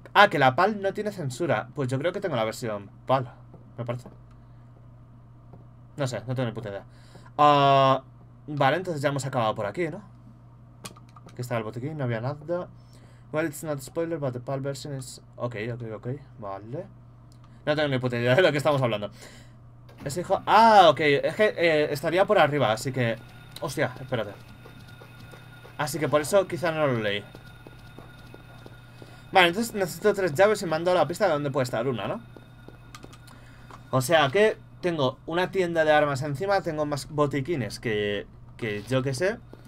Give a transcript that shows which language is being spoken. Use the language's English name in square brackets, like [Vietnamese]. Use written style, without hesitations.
[Spanish] Que la PAL no tiene censura. Pues yo creo que tengo la versión PAL. Me parece. No sé, no tengo ni puta idea. Vale, entonces ya hemos acabado por aquí, ¿no? Que estaba el botiquín, no había nada. [English] Well, it's not a spoiler, but the PAL version is. [Spanish] Ok. Vale. No tengo ni puta idea de lo que estamos hablando. Ese hijo. Ah, ok. Es que estaría por arriba, así que. Hostia, espérate. Así que por eso quizá no lo leí. Vale, entonces necesito tres llaves y mando a la pista de dónde puede estar una, ¿no? O sea que tengo una tienda de armas encima, tengo más botiquines que yo que sé.